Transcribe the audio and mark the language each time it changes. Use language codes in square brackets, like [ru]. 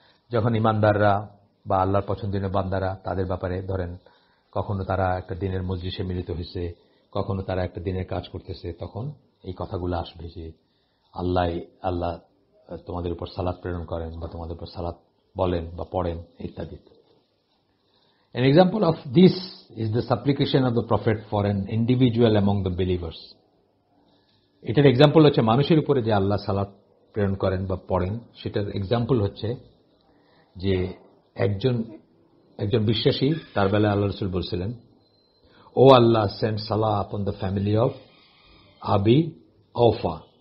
[bn] যখন ইমানদাররা বা আল্লাহর পছন্দের বান্দারা তাদের ব্যাপারে ধরেন কখনো তারা একটা দিনের মজলিসে মিলিত হয়েছে, কখনো তারা একটা দিনের কাজ করতেছে, তখন এই কথাগুলো আসবে যে আল্লাহ আল্লাহ তোমাদের উপর সালাত প্রেরণ করেন বা তোমাদের উপর সালাত বলেন বা পড়েন ইত্যাদি। [en] An example of this is the supplication of the Prophet for an individual among the believers. [bn] এটার এক্সাম্পল হচ্ছে মানুষের উপরে যে আল্লাহ সালাত প্রেরণ করেন বা পড়েন, সেটার এক্সাম্পল হচ্ছে যে একজন একজন বিশ্বাসী তার বেলায় আল্লাহ রাসূল বলছিলেন, [en] O Allah send সালাহ upon the family of Abi Awfa.